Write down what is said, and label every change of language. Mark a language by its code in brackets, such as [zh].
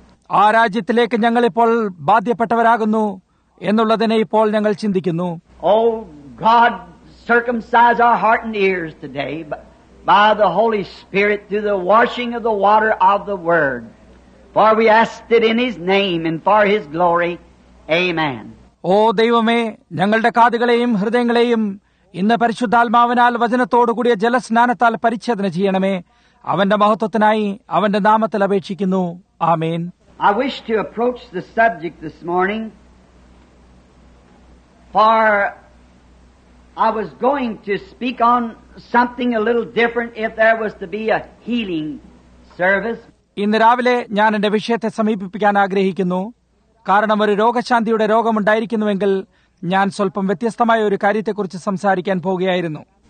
[ml] ആ രാജ്യത്തിലേക്ക് ഞങ്ങളിപ്പോൾ ബാധ്യപ്പെട്ടവരാകുന്നു എന്നുള്ളതിനെ ഇപ്പോൾ ഞങ്ങൾ ചിന്തിക്കുന്നു. [en] O God circumcise our heart and ears today by the Holy Spirit through the washing of the water of the word. For we ask it in his name and for his glory. Amen. [ml] ഓ ദൈവമേ, ഞങ്ങളുടെ കാതുകളെയും ഹൃദയങ്ങളെയും ഇന്ന് പരിശുദ്ധാത്മാവിനാൽ വചനത്തോടു കൂടിയ ജലസ്നാനത്താൽ പരിച്ഛേദന ചെയ്യണമേ. അവന്റെ മഹത്വത്തിനായി അവന്റെ നാമത്തിൽ അപേക്ഷിക്കുന്നു. ആമേൻ. [en] I wish to approach the subject this morning, for I was going to speak on something a little different if there was to be a healing service. [ml] ഇന്ന് രാവിലെ ഞാൻ എന്റെ വിഷയത്തെ സമീപിപ്പിക്കാൻ ആഗ്രഹിക്കുന്നു. കാരണം ഒരു രോഗശാന്തിയുടെ രോഗമുണ്ടായിരിക്കുന്നുവെങ്കിൽ ഞാൻ സ്വല്പം വ്യത്യസ്തമായ ഒരു കാര്യത്തെക്കുറിച്ച് സംസാരിക്കാൻ പോവുകയായിരുന്നു.